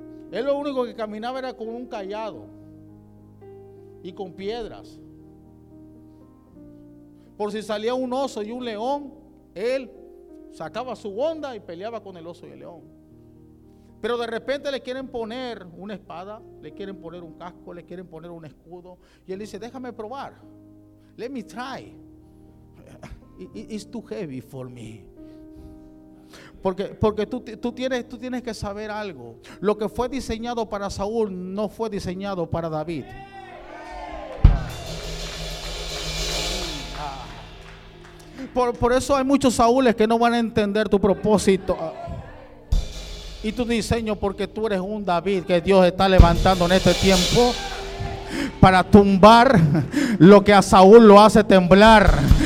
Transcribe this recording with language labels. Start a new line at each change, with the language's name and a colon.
Spanish: Él lo único que caminaba era con un cayado y con piedras. Por si salía un oso y un león, él sacaba su onda y peleaba con el oso y el león. Pero de repente le quieren poner una espada, le quieren poner un casco, le quieren poner un escudo. Y él dice: déjame probar,
English: let me try. It's too heavy for me.
Spanish: Porque tú tienes que saber algo. Lo que fue diseñado para Saúl no fue diseñado para David. Por eso hay muchos Saúles que no van a entender tu propósito y tu diseño, porque tú eres un David que Dios está levantando en este tiempo para tumbar lo que a Saúl lo hace temblar.